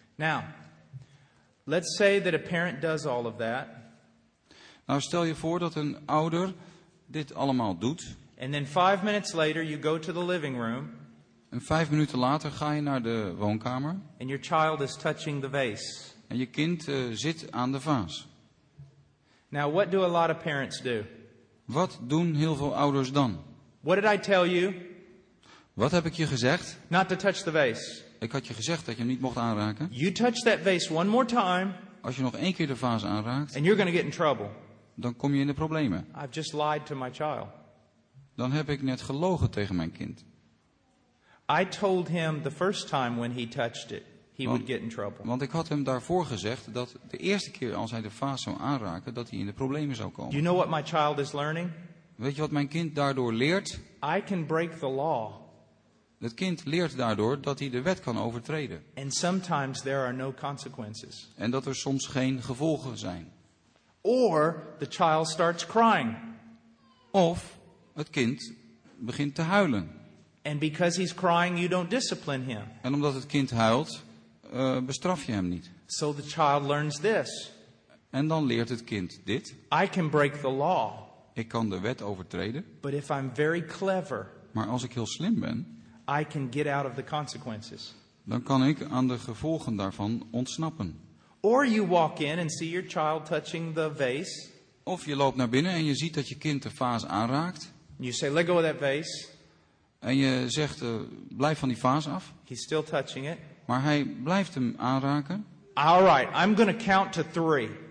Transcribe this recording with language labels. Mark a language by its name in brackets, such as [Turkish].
[English] Now, let's say that a parent does all of that. [Dutch] Nou, stel je voor dat een ouder dit allemaal doet. [English] And then 5 minutes later you go to the living room. [Dutch] En 5 minuten later ga je naar de woonkamer. [English] And your child is touching the vase. [Dutch] En je kind zit aan de vaas. [English] Now, what do a lot of parents do? [Dutch] Wat doen heel veel ouders dan? [English] What did I tell you? [Dutch] Wat heb ik je gezegd? [English] Not to touch the vase. [Dutch] Ik had je gezegd dat je hem niet mocht aanraken. [English] You touch that vase one more time. [Dutch] Als je nog één keer de vaas aanraakt. [English] And you're going to get in trouble. [Dutch] Dan kom je in de problemen. [English] I've just lied to my child. [Dutch] Dan heb ik net gelogen tegen mijn kind. [English] I told him the first time when he touched it, he would get in trouble. [Dutch] Want ik had hem daarvoor gezegd dat de eerste keer als hij de vaas zou aanraken, dat hij in de problemen zou komen. [English] You know what my child is learning? [Dutch] Weet je wat mijn kind daardoor leert? [English] I can break the law. [Dutch] Het kind leert daardoor dat hij de wet kan overtreden. [English] And sometimes there are no consequences. [Dutch] En dat er soms geen gevolgen zijn. [English] Or the child starts crying. [Dutch] Of het kind begint te huilen. [English] And because he's crying, you don't discipline him. [Dutch] En omdat het kind huilt, bestraf je hem niet. [English] So the child learns this. [Dutch] En dan leert het kind dit. [English] I can break the law. [Dutch] Ik kan de wet overtreden. [English] But if I'm very clever, [Dutch] maar als ik heel slim ben, [English] I can get out of the consequences. [Dutch] Dan kan ik aan de gevolgen daarvan ontsnappen. [English] Or you walk in and see your child touching the vase. [Dutch] Of je loopt naar binnen en je ziet dat je kind de vaas aanraakt. [English] You say, let go of that vase. [Dutch] En je zegt, blijf van die vaas af. [English] He's still touching it. [Dutch] Maar hij blijft hem aanraken. [English] All right, I'm going to count to three.